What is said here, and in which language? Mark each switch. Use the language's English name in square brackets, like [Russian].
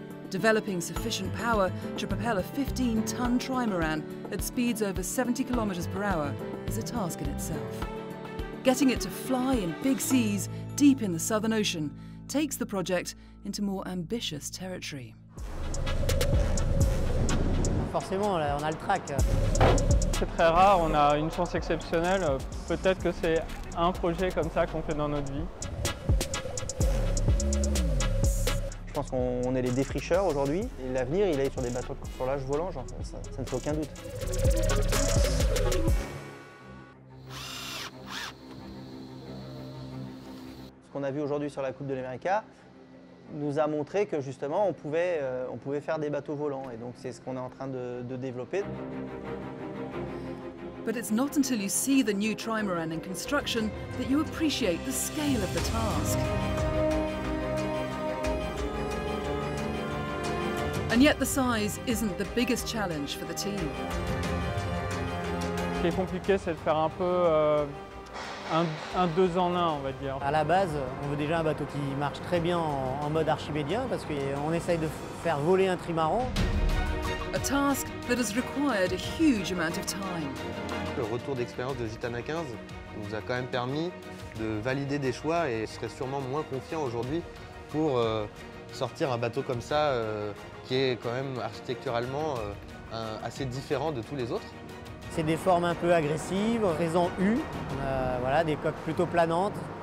[English] Developing sufficient power to propel a 15-ton trimaran at speeds over 70 kilometres per hour is a task in itself. Getting it to fly in big seas deep in the Southern Ocean takes the project into more ambitious territory. [French] Forcément, on a le track. C'est très rare, on a une chance exceptionnelle. Peut-être que c'est un projet comme ça qu'on fait dans notre vie. pense qu'on est les défricheurs aujourd'hui. Et l'avenir, il est sur des bateaux de contrôlage volant, genre, ça ne fait aucun doute. Ce qu'on a vu aujourd'hui sur la Coupe de l'América nous a montré que justement, on pouvait faire des bateaux volants. Et donc, c'est ce qu'on est en train de développer. [English] But it's not until you see the new trimaran in construction that you appreciate the scale of the task. And yet the size isn't the biggest challenge for the team. [French] Ce qui est compliqué, c'est de faire un peu un deux en un, on va dire. À la base, on veut déjà un bateau qui marche très bien en mode archimédien parce qu'on essaye de faire voler un trimaran. [English] A task that has required a huge amount of time. [French] Le retour d'expérience de Gitana 15 nous a quand même permis de valider des choix et je serais sûrement moins confiant aujourd'hui pour sortir un bateau comme ça qui est quand même architecturalement assez différent de tous les autres. C'est des formes un peu agressives, présent U, voilà, des coques plutôt planantes.